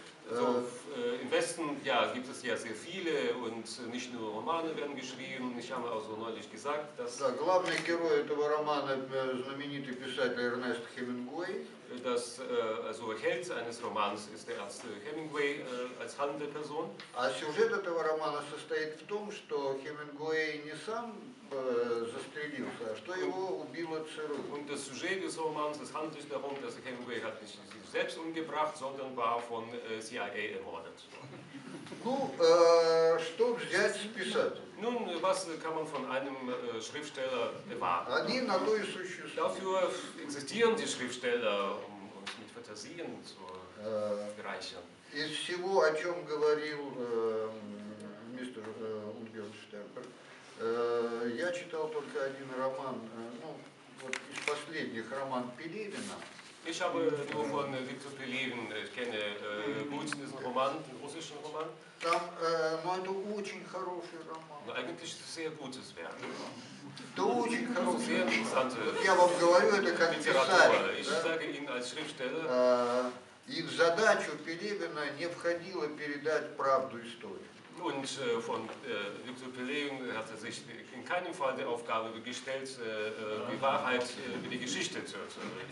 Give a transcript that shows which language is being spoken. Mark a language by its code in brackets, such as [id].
[de] So, im Westen ja, gibt es ja sehr viele und nicht nur Romane werden geschrieben. Ich habe auch so neulich gesagt, dass [ru] да, главный герой этого романа знаменитый писатель Эрнест Хемингуэй. [de] Das also Held eines Romans ist der Ernst Hemingway als handelnde Person. [ru] А сюжет этого романа состоит в том, что Хемингуэй не сам застрелился, а что его убило ЦРУ. [de] Und das Sujet des Romans, es handelt sich darum, dass Hemingway hat nicht sich selbst umgebracht, sondern war von CIA ermordet. [ru] Ну, что взять с писателя? [de] Nun, was kann man von einem Schriftsteller erwarten? Dafür existieren die Schriftsteller, um uns mit Fantasien zu bereichern. [ru] Из всего, о чем говорил мистер Унгерн Штерберг, я читал только один роман, ну, вот из последних, роман Пелевина. [de] Ich habe nur von Viktor Pelevin, ich kenne gut diesen Roman, den russischen Roman. [ru] Там, но это очень хороший роман. Но [de] eigentlich ist es sehr gutes Werk. [ru] Это очень хороший роман. Я вам говорю, это как писатель. [de] Ich sage Ihnen als Schriftsteller. [ru] И в задачу Пелевина не входило передать правду истории. [de] Und von Viktor Pelevin hat er sich in keinem Fall der Aufgabe gestellt, die Wahrheit über die Geschichte zu erzählen.